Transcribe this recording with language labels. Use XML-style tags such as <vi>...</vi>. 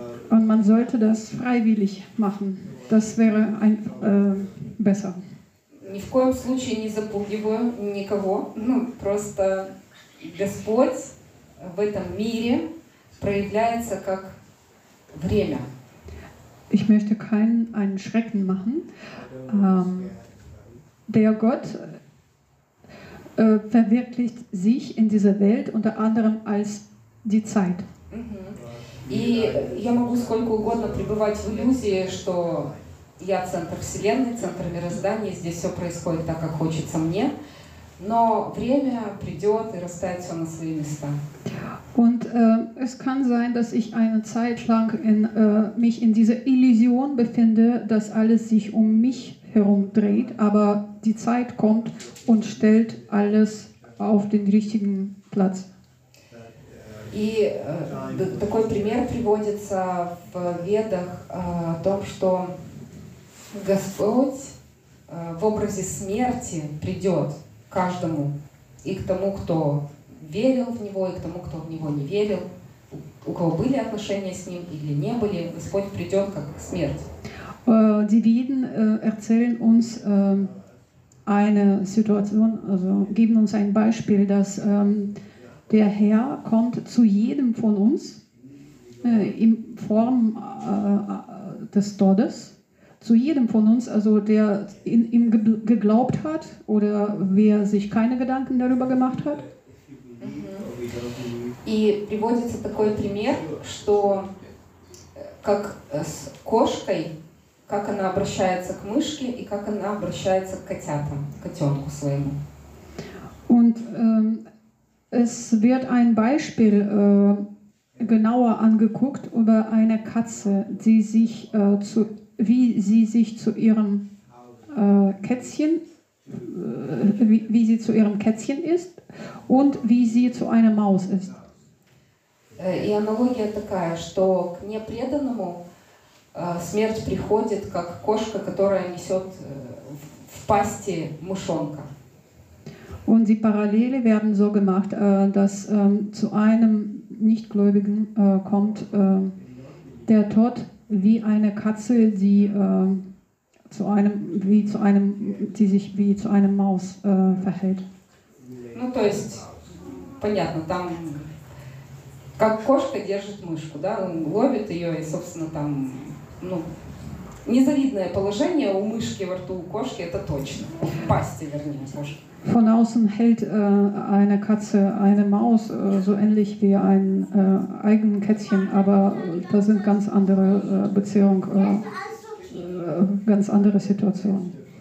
<de>Und man sollte das freiwillig machen. Das wäre ein, besser.</de> <ru>Ни в коем случае не запугиваю никого. Ну, просто Господь в этом мире проявляется как время.</ru> <de>Ich möchte keinen einen Schrecken machen. Der Gott verwirklicht sich in dieser Welt unter anderem als die Zeit.</de> <ru>И я могу сколько угодно пребывать в иллюзии, что я центр вселенной, центр мироздания, здесь все происходит так, как хочется мне, но время придет и расставит все на свои места.</ru> <de>Und es kann sein, dass ich eine Zeit lang in, mich in dieser Illusion befinde, dass alles sich um mich herum dreht, aber die Zeit kommt und stellt alles auf den richtigen Platz.</de> <ru>И такой пример приводится в Ведах о том, что Господь в образе смерти придет каждому и к тому, кто верил в него, и к тому, кто в него не верил, у кого были отношения с ним или не были, Господь придет как смерть.</ru> <de>Die Veden erzählen uns eine Situation, also geben uns ein Beispiel, dass der Herr kommt zu jedem von uns in Form des Todes, zu jedem von uns, also der in ihm geglaubt hat oder wer sich keine Gedanken darüber gemacht hat.</de> <ru>И приводится такой пример, что как с кошкой, как она обращается к мышке и как она обращается к котятам, к котенку своему.</ru> <de>Und es wird ein Beispiel genauer angeguckt über eine Katze, die sich zu, wie sie sich zu ihrem Kätzchen, wie sie zu ihrem Kätzchen ist und wie sie zu einer Maus ist.</de> <ru>И аналогия такая, что к непреданному смерть приходит как кошка, которая несет в пасти мышонка.</ru> <de>Und die Parallele werden so gemacht, dass zu einem Nichtgläubigen kommt der Tod wie eine Katze, die zu einem, wie zu einem, die sich wie zu einem Maus verhält.</de> <ru>Ну, то есть, понятно, там как кошка держит мышку, да, он ловит ее и, собственно, там, ну, Незавидное положение у мышки во рту у кошки, это точно. В пасти, вернее, у кошки.</ru> <de>Von außen hält eine Katze eine Maus so ähnlich wie ein eigenes Kätzchen, aber das sind ganz andere Beziehungen, ganz andere Situationen.</de>